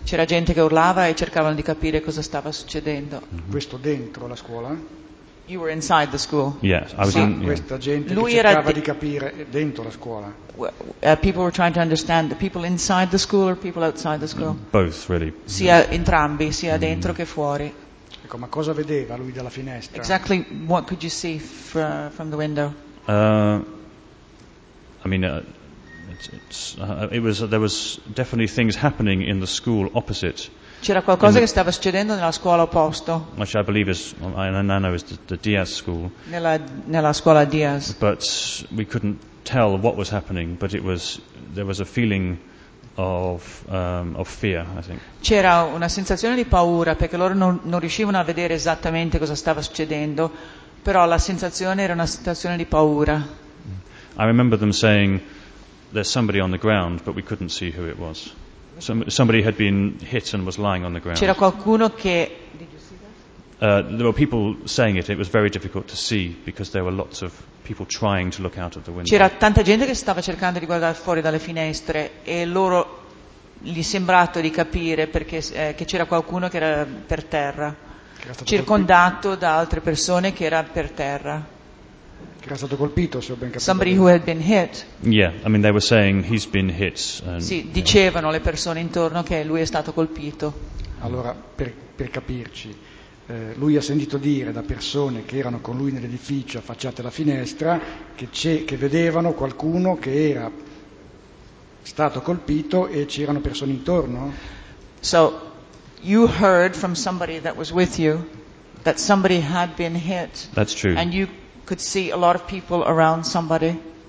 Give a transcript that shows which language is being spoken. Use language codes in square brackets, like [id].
[it] C'era gente che urlava e cercavano di capire cosa stava succedendo. Questo dentro la scuola? [en] You were inside the school. Yes, I was in. Yeah. [it] Questa gente lui che cercava di capire dentro la scuola. [en] People were trying to understand the people inside the school or people outside the school. Both, really. [it] Sia entrambi, sia dentro che fuori. Ecco, ma cosa vedeva lui dalla finestra? [en] Exactly, what could you see from the window? There was definitely things happening in the school opposite. [it] C'era qualcosa che stava succedendo nella scuola opposto. [en] Which I believe is, and I know is the Diaz school. [it] Nella scuola Diaz. [en] But we couldn't tell what was happening, but it was, there was a feeling of fear, I think. [it] C'era una sensazione di paura perché loro non riuscivano a vedere esattamente cosa stava succedendo, però la sensazione era una sensazione di paura. [en] I remember them saying, "There's somebody on the ground," but we couldn't see who it was. Somebody had been hit and was lying on the ground. [it] C'era qualcuno che... [en] There were people saying it. It was very difficult to see because there were lots of people trying to look out of the window. [it] C'era tanta gente che stava cercando di guardare fuori dalle finestre e loro gli sembrato di capire perché che c'era qualcuno che era per terra, circondato da altre persone che era per terra. Che era stato colpito, se ho ben capito. [en] Somebody who had been hit. Yeah, I mean they were saying he's been hit. And, [it] sì, dicevano le persone intorno che lui è stato colpito. Allora, per capirci, lui ha sentito dire da persone che erano con lui nell'edificio affacciate alla finestra che vedevano qualcuno che era stato colpito e c'erano persone intorno. [en] So, you heard from somebody that was with you that somebody had been hit. That's true. And you could see a lot of people around somebody.